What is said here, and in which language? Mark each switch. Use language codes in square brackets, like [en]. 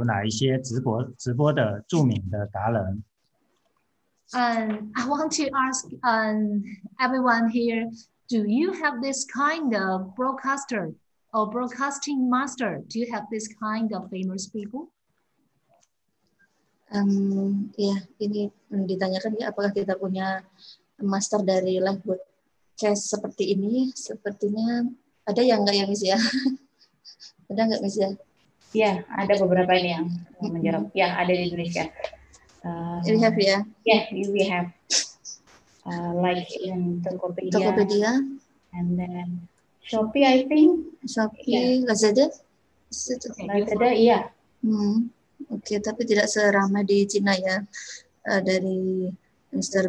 [zh] 同学们也可以说一说当地印尼那边有哪一些直播的著名的达人。 [en] I want to ask everyone here, do you have this kind of broadcaster or broadcasting master? Do you have this kind of famous people? [id] Ini ditanyakan ya, apakah kita punya master dari live broadcast seperti ini? Sepertinya ada yang enggak ya, Miss ya? Ada enggak, Miss ya? Iya, ada beberapa ini yang menjerap. Ya, ada di Indonesia. [en] We have ya. Yeah, we have like in Tokopedia, and then Shopee, I think Shopee, yeah. Lazada. [id] Lazada, iya. Okay, tapi tidak seramai di Cina ya. Dari Mr.